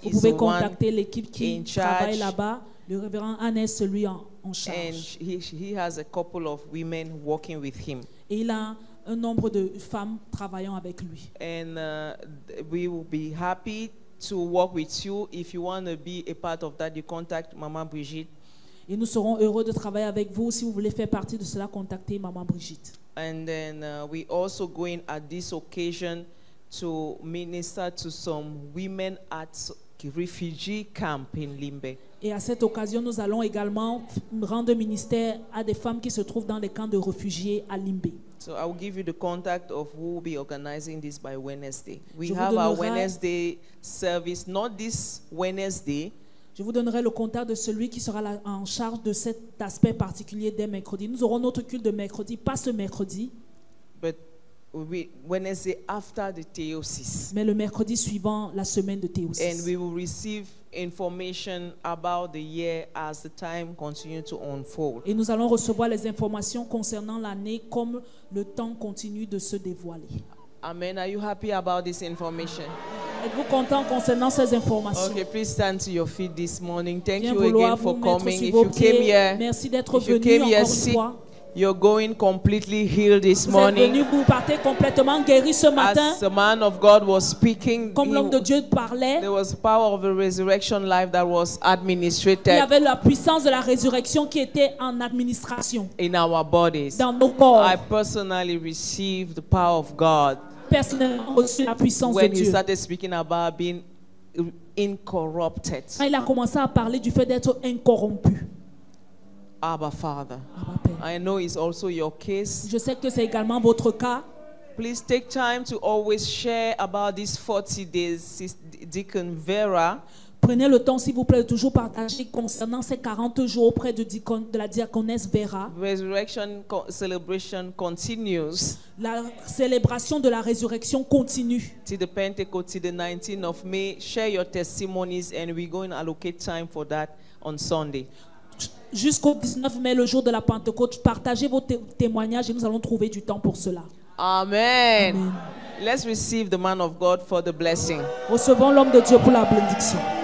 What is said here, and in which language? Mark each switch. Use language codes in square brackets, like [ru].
[en] the one. [fr] Vous pouvez contacter l'équipe qui travaille là-bas. Le Reverend Annen est celui en charge. [en] And he has a couple of women working with him. [fr] Et il a un nombre de femmes travaillant avec lui. [en] And we will be happy to work with you. If you want to be a part of that, you contact Mama Brigitte. [fr] Et nous serons heureux de travailler avec vous. Si vous voulez faire partie de cela, contactez Mama Brigitte. [en] And then we also going at this occasion to minister to some women at refugee camp in Limbe. [fr] Et à cette occasion, nous allons également rendre ministère à des femmes qui se trouvent dans les camps de réfugiés à Limbe. [en] So I will give you the contact of who will be organizing this by Wednesday. We have our Wednesday service, not this Wednesday. [fr] Je vous donnerai le contact de celui qui sera en charge de cet aspect particulier dès mercredi. Nous aurons notre culte de mercredi, pas ce mercredi. [en] But Wednesday after the theosis. [fr] Mais le mercredi suivant la semaine de théosis. [en] And we will receive information about the year as the time continues to unfold. [fr] Et nous allons recevoir les informations concernant l'année comme le temps continue de se dévoiler. [en] Amen. Are you happy about this information? [fr] Êtes-vous content concernant ces informations? [en] Okay, please stand to your feet this morning. Thank you again for coming. If you came here, [fr] merci d'être venu encore une fois. [en] You're going completely healed this morning. [fr] Vous êtes venu, vous partez complètement guéri ce matin. [en] As the man of God was speaking, [fr] comme l'homme de Dieu parlait, [en] there was power of the resurrection life that was administrated. [fr] Il y avait la puissance de la résurrection qui était en administration. [en] In our bodies. [fr] Dans nos corps. [en] I personally received the power of God. [fr] Personnellement, reçu la puissance [en] when [fr] de Dieu. [en] When he started speaking about being incorrupted. [fr] Quand il a commencé à parler du fait d'être incorrompu. [en] Abba Father, [fr] Abba Père. [en] I know it's also your case. [fr] Je sais que c'est également votre cas. [en] Please take time to always share about these 40 days, Deacon Vera. [fr] Prenez le temps, s'il vous plaît, de toujours partager concernant ces 40 jours auprès de la diaconesse Vera. [en] Resurrection celebration continues. [fr] La célébration de la résurrection continue. [en] Till the Pentecost, till the 19th of May, share your testimonies and we're going to allocate time for that on Sunday. [fr] Jusqu'au 19 mai, le jour de la Pentecôte, partagez vos témoignages et nous allons trouver du temps pour cela. [en] Amen. Amen. Let's receive the man of God for the blessing. [fr] Recevons l'homme de Dieu pour la bénédiction.